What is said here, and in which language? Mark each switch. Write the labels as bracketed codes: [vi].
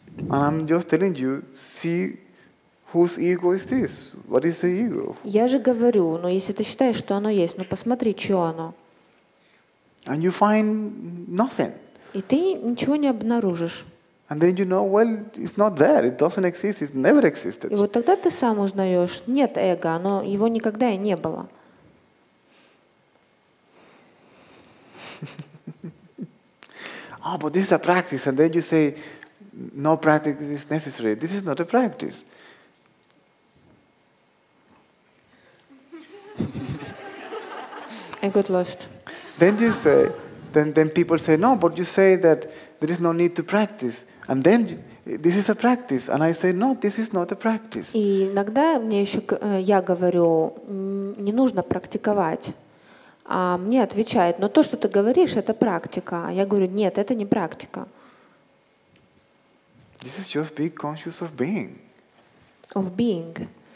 [en] And I'm just telling you, see whose ego is this? What is the ego? [ru] Я же говорю, но если ты считаешь, что оно есть, ну посмотри, чье оно. [en] And you find nothing. [ru] И ты ничего не обнаружишь. [en] And then you know, well, it's not there. It doesn't exist. It never existed. [ru] И вот тогда ты сам узнаешь, нет эго, оно его никогда и не было. [en] Oh, but this is a practice, and then you say, no practice is necessary. This is not a practice. I got lost. Then people say, no, but you say that there is no need to practice, and then this is a practice, and I say, no, this is not a practice. [ru] И иногда мне еще я говорю, не нужно практиковать. А мне отвечает, но то, что ты говоришь, это практика. А я говорю, нет, это не практика. [en] This is just being conscious of being. Of being.